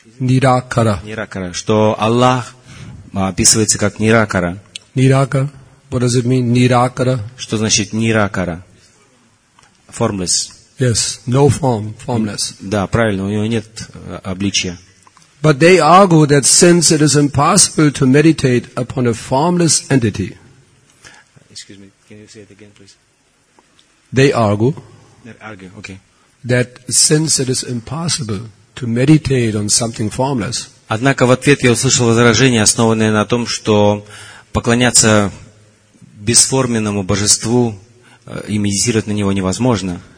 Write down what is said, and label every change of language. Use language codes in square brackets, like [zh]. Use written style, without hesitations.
[ru] ниракара. Ниракара, что Аллах описывается как ниракара. [en] Nirakara. What does it mean? Nirakara. [ru] Что значит ниракара? [en] Formless. Yes, no form, formless. [ru] Да, правильно, у него нет обличия. [en] But they argue that since it is impossible to meditate upon a formless entity. Excuse me, can you say it again, please? They argue. Okay. That since it is impossible to meditate on something formless. [ru] Однако в ответ я услышал возражение, основанное на том, что поклоняться бесформенному божеству и медитировать на него невозможно.